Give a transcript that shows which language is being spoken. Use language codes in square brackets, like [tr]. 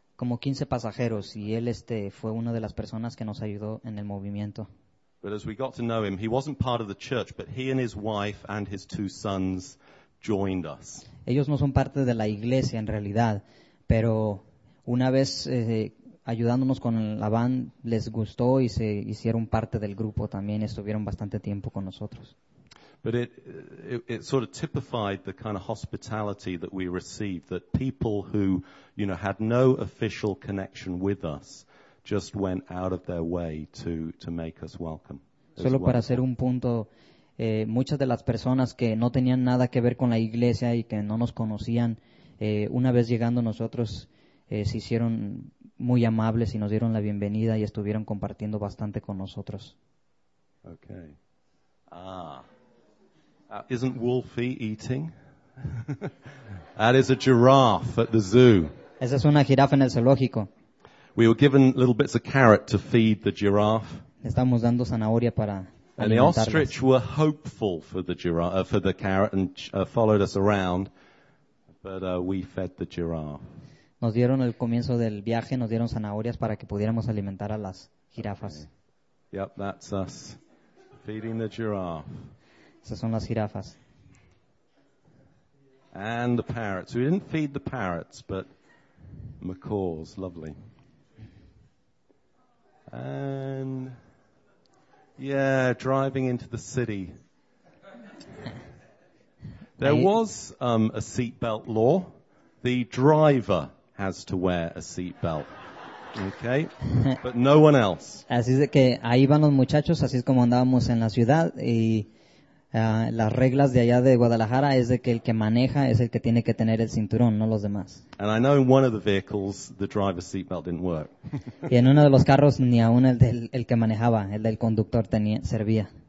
[es] Como 15 pasajeros, y él fue una de las personas que nos ayudó en el movimiento. [en] But as we got to know him, he wasn't part of the church, but he and his wife and his two sons joined us. [es] Ellos no son parte de la iglesia en realidad, pero una vez ayudándonos con la van, les gustó y se hicieron parte del grupo también, estuvieron bastante tiempo con nosotros. [en] But it sort of typified the kind of hospitality that we received, that people who, you know, had no official connection with us just went out of their way to make us welcome. [es] Solo para hacer un punto, muchas de las personas que no tenían nada que ver con la iglesia y que no nos conocían, una vez llegando nosotros, se hicieron muy amables y nos dieron la bienvenida y estuvieron compartiendo bastante con nosotros. [en] Okay. Isn't Wolfie eating? That is a giraffe at the zoo. [es] Esa es una jirafa en el zoológico. [en] We were given little bits of carrot to feed the giraffe. [es] Estamos dando zanahoria para... [en] And the ostrich were hopeful for the carrot and followed us around, but we fed the giraffe. [es] Nos dieron el comienzo del viaje, nos dieron zanahorias para que pudiéramos alimentar a las jirafas. [en] Okay. Yep, that's us feeding the giraffe. [es] Esas son las jirafas. [en] And the parrots. We didn't feed the parrots, but Macaws, lovely. And, yeah, driving into the city. There was a seatbelt law. The driver has to wear a seatbelt. Okay, but no one else. [es] Así es que ahí van los muchachos, así es como andábamos en la ciudad, y las reglas de allá de Guadalajara es de que el que maneja es el que tiene que tener el cinturón, no los demás. [en] And I know in one of the vehicles, the driver's seatbelt didn't work. [es] Y en uno de los carros ni aún el que manejaba, el del conductor tenía, servía.